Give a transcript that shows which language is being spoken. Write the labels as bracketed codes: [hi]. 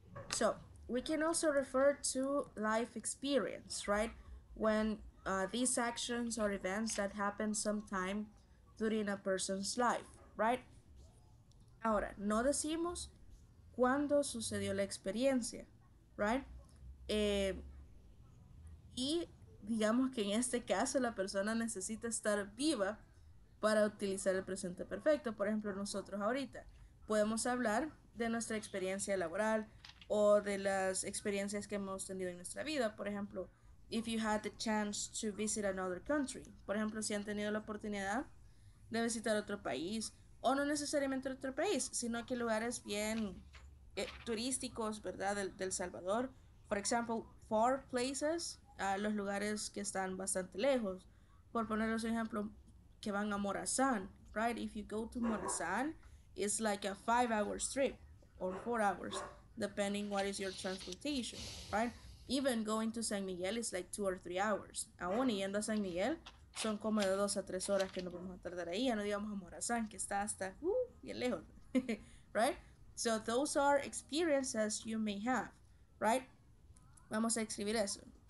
[en] So, we can also refer to life experience, right? When these actions or events that happened sometime during a person's life, right? [es] Ahora, no decimos cuándo sucedió la experiencia, right? Y digamos que en este caso la persona necesita estar viva para utilizar el presente perfecto. Por ejemplo, nosotros ahorita podemos hablar de nuestra experiencia laboral o de las experiencias que hemos tenido en nuestra vida. Por ejemplo, [en] if you had the chance to visit another country. [es] Por ejemplo, si han tenido la oportunidad de visitar otro país, o no necesariamente otro país, sino que lugares bien turísticos, ¿verdad? Del Salvador. [en] For example, far places, [es] los lugares que están bastante lejos. Por ponerles un ejemplo, que van a Morazán, right? [en] If you go to Morazán, it's like a 5 hours trip or 4 hours, depending what is your transportation, right? Even going to San Miguel is like 2 or 3 hours. [es] Aún yendo a San Miguel, son como de 2 a 3 horas que nos vamos a tardar ahí, ya no digamos a Morazán, que está hasta bien lejos, right? [en] So those are experiences you may have, right? [es] Vamos a escribir eso.